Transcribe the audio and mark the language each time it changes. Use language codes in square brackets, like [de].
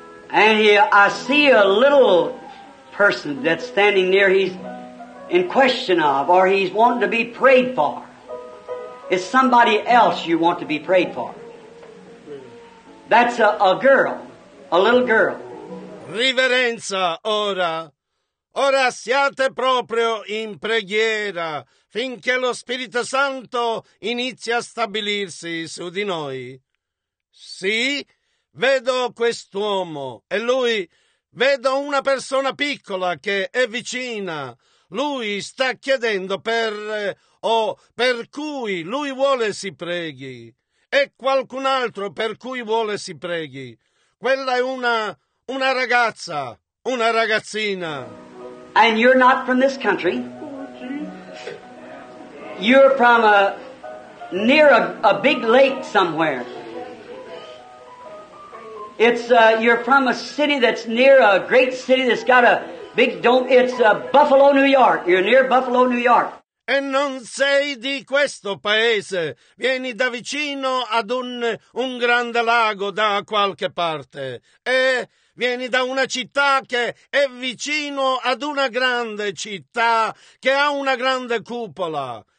[en] And here I see a little person that's standing near, he's in question of, or he's wanting to be prayed for. It's somebody else you want to be prayed for. That's a girl, a little girl. [it] Riverenza, ora. Ora siate proprio in preghiera finché lo Spirito Santo inizia a stabilirsi su di noi. Sì, vedo quest'uomo e lui, vedo una persona piccola che è vicina. Lui sta chiedendo per cui lui vuole si preghi. E qualcun altro per cui vuole si preghi. Quella è una ragazza, una ragazzina. [en] And you're not from this country. You're from near a big lake somewhere. You're from a city that's near a great city that's got a big dome. It's Buffalo, New York. You're near Buffalo, New York. [it] E non sei di questo paese. Vieni da vicino ad un grande lago da qualche parte. E vieni da una città che è vicino ad una grande città che ha una grande cupola.